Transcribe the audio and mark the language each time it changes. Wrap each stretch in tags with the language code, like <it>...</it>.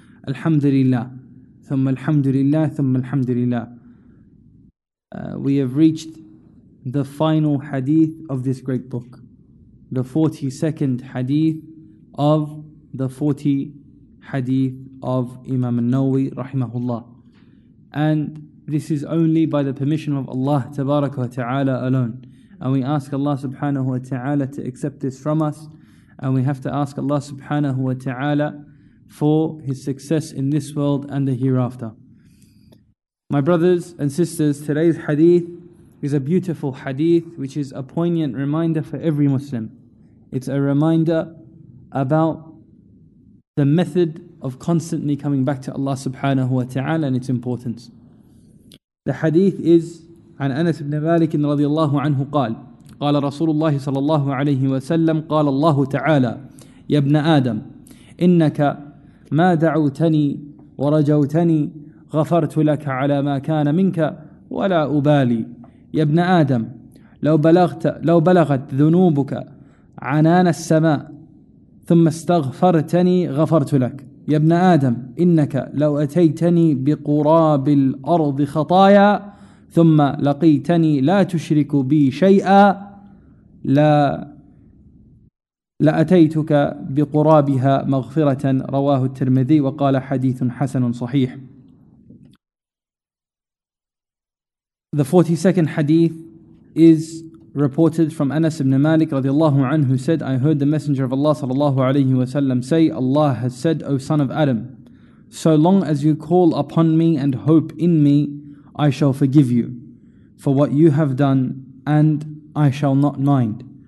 <ar>الحمد لله ثم الحمد لله ثم الحمد لله.</ar> <en>We have reached the final hadith of this great book, the 42nd hadith of the 40 hadith of Imam al-Nawawi rahimahullah. And this is only by the permission of Allah Tabarak wa Ta'ala alone. And we ask Allah Subhanahu wa Ta'ala to accept this from us. And we have to ask Allah Subhanahu wa Ta'ala for His success in this world and the hereafter. My brothers and sisters, today's hadith is a beautiful hadith which is a poignant reminder for every Muslim. It's a reminder about the method of constantly coming back to Allah Subhanahu wa Ta'ala and its importance. The hadith is</en> <ar>عن أنس بن مالك رضي الله عنه قال قال رسول الله صلى الله عليه وسلم قال الله تعالى يا ابن آدم إنك ما دعوتني ورجوتني غفرت لك على ما كان منك ولا أبالي. يا ابن آدم لو بلغت ذنوبك عنان السماء ثم استغفرتني غفرت لك. يا ابن آدم إنك لو أتيتني بقراب الأرض خطايا ثم لقيتني لا تشرك بي شيئا لأتيتك بقرابها مغفرة. رواه الترمذي وقال حديث حسن صحيح.</ar> <en>The 42nd hadith is reported from Anas ibn Malik radiallahu anhu, said, I heard the Messenger of Allah sallallahu alayhi wa sallam say, Allah has said, O son of Adam, so long as you call upon me and hope in me, I shall forgive you for what you have done and I shall not mind.</en>